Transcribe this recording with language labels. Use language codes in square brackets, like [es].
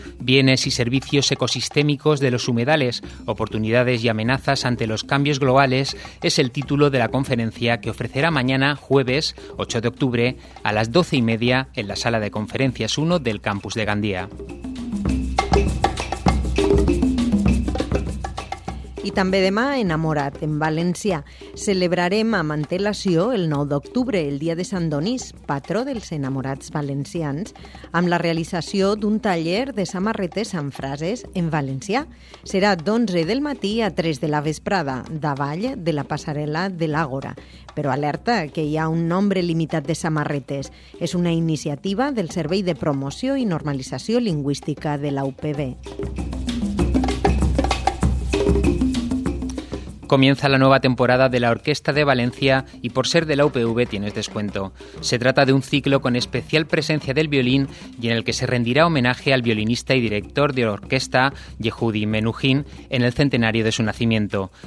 [es] Bienes y servicios ecosistémicos de los humedales, oportunidades y amenazas ante los cambios globales, es el título de la conferencia que ofrecerá mañana, jueves 8 de octubre, a las 12:30 en la Sala de Conferencias 1 del Campus de Gandía. [ca] I també demà, enamorat, en València, celebrarem amb antelació el 9 d'octubre, el dia de Sant Donís, patró dels enamorats valencians, amb la realització d'un taller de samarretes amb frases en valencià. Serà d'11 del matí a 3 de la vesprada, davall de la passarel·la de l'Àgora. Però alerta que hi ha un nombre limitat de samarretes. És una iniciativa del Servei de Promoció i Normalització Lingüística de la UPB. [es] Comienza la nueva temporada de la Orquesta de Valencia y por ser de la UPV tienes descuento. Se trata de un ciclo con especial presencia del violín y en el que se rendirá homenaje al violinista y director de orquesta Yehudi Menuhin en el centenario de su nacimiento.